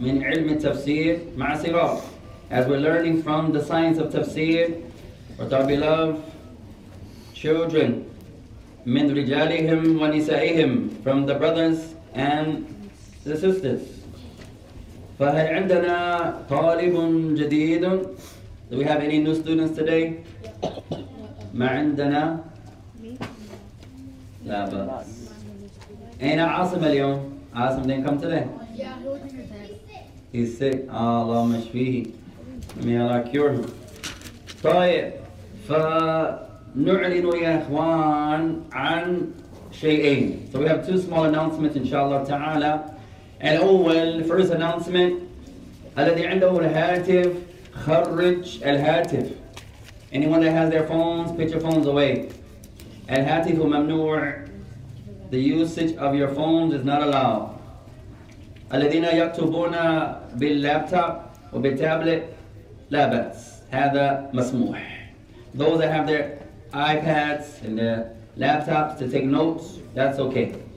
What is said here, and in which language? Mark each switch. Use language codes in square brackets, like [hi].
[ar] من علم التفسير مع الصغار. [en] As we're learning from the science of tafsir, with our beloved children, [ar] من رجالهم ونسائهم, [en] from the brothers and the sisters. [ar] فهل عندنا طالب جديد? [en] Do we have any new students today? [ar] ما عندنا? لا بأس. [en] Ain't Asim al-yawm? Asim didn't come today? Yeah, he's sick. Allahumma shfihi. May Allah cure him. [ar] طيب. فنعلنوا يا إخوان عن شيئين. [en] So we have two small announcements, inshallah ta'ala. [ar] الأول, [en] first announcement. [ar] الذي عنده الهاتف, خرج الهاتف. [en] Anyone that has their phones, put your phones away. [ar] الهاتف ممنوع. [en] The usage of your phones is not allowed. [ar] الذين يكتبون باللابتوب وبالتابلت لا بأس. هذا مسموح. [en] Those that have their iPads and their laptops to take notes, that's okay.